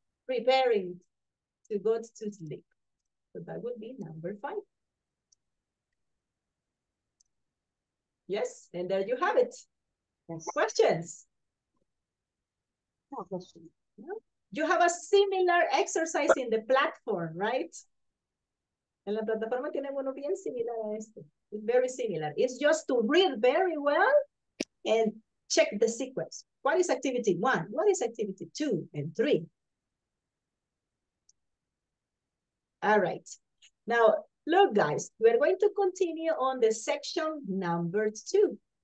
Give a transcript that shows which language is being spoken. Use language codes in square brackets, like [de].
[en] Preparing to go to sleep. So that would be number five. Yes, and there you have it. Yes. Questions? No question. You have a similar exercise in the platform, right? [es] En la plataforma tiene uno bien similar a este. [en] It's very similar. It's just to read very well and check the sequence. What is activity one? What is activity two and three? All right. Now, look, guys, we're going to continue on the section number two.